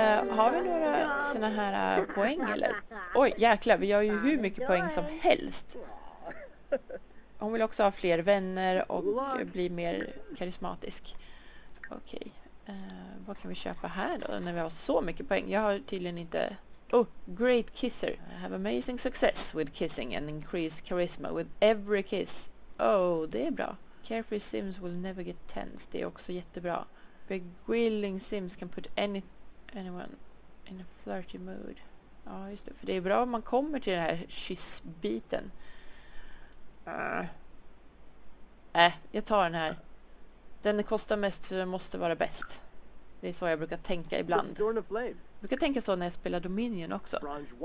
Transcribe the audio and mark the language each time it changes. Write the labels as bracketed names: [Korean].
[Swedish] Har vi några såna här poäng eller? Oj, jäklar, vi gör ju hur mycket poäng som helst. Hon vill också ha fler vänner och bli mer karismatisk. Okej. Vad kan vi köpa här då när vi har så mycket poäng? Jag har tydligen inte [English] Oh, great kisser. I have amazing success with kissing and increased charisma with every kiss. Oh, [Swedish] det är bra. [English] Carefree Sims will never get tense. [Swedish] Det är också jättebra. [English] Beguiling Sims can put anyone in a flirty mood. [Swedish] Ja, just det. För det är bra om man kommer till den här kyssbiten. Jag tar den här. Den kostar mest så den måste vara bäst. Det är så jag brukar tänka ibland. Jag brukar tänka så när jag spelar Dominion också.